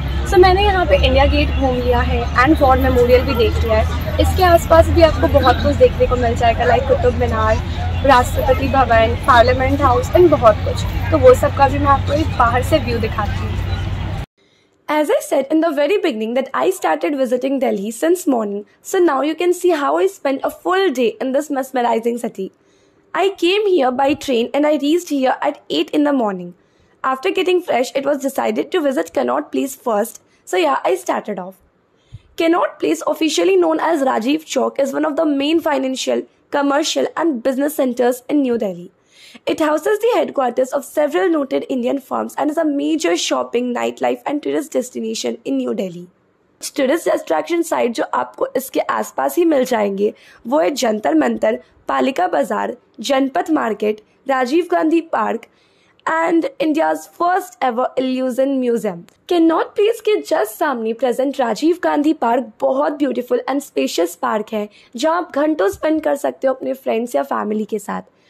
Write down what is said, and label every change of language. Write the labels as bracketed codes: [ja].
[hi] सो मैंने यहाँ पे इंडिया गेट घूम लिया है एंड वॉर मेमोरियल भी देख लिया है. इसके आसपास भी आपको बहुत कुछ देखने को मिल जाएगा like Qutub Minar, Rashtrapati Bhavan, parliament house and बहुत कुछ. तो वो सब का भी मैं आपको एक बाहर से व्यू दिखाती हूँ. [en] As I said in the very beginning that I started visiting Delhi since morning, so now you can see how I spent a full day in this mesmerizing city. I came here by train and I reached here at 8 in the morning. After getting fresh, it was decided to visit Connaught Place first, so yeah, I started off. Connaught Place, officially known as Rajiv Chowk, is one of the main financial, commercial and business centers in New Delhi. It houses the headquarters of several noted Indian firms and is a major shopping, nightlife and tourist destination in New Delhi. Tourist attraction site [hi] जो आपको इसके आसपास ही मिल जाएंगे वो है जंतर मंतर, पालिका बाजार, जनपथ market, Rajiv Gandhi park and India's first ever illusion museum. Cannot place के जस्ट सामने प्रेजेंट राजीव गांधी पार्क बहुत ब्यूटीफुल एंड स्पेशियस पार्क है जहाँ आप घंटों स्पेंड कर सकते हो अपने फ्रेंड्स या फैमिली के साथ.